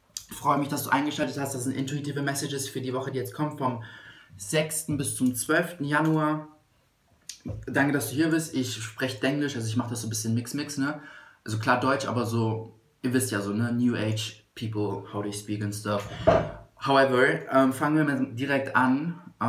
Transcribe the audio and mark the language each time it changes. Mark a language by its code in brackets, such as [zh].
[de] Ich freue mich, dass du eingeschaltet hast. Das sind intuitive Messages für die Woche, die jetzt kommt, vom 6. bis zum 12. Januar. Danke, dass du hier bist. Ich spreche Denglisch, also ich mache das so ein bisschen Mix-Mix, ne? Also klar Deutsch, aber so, ihr wisst ja so, ne? [en] New Age People, how they speak and stuff. [de] However, fangen wir mal direkt an.